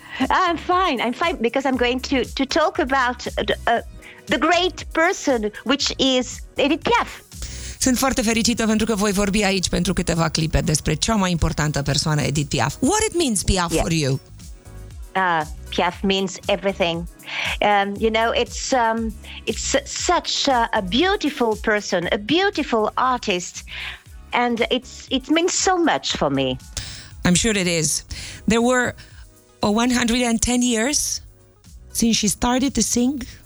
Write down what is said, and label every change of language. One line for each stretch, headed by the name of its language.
English: I'm fine because I'm going to talk about the great person, which is Edith Piaf.
Romanian: Sunt foarte fericită pentru că voi vorbi aici pentru câteva clipe despre cea mai importantă persoană, Edith Piaf.
English: What it means, Piaf, yeah, for you? Piaf means everything. You know, it's such a beautiful person, a beautiful artist, and it means so much for me. I'm sure it is. There were 110 years since she started to sing.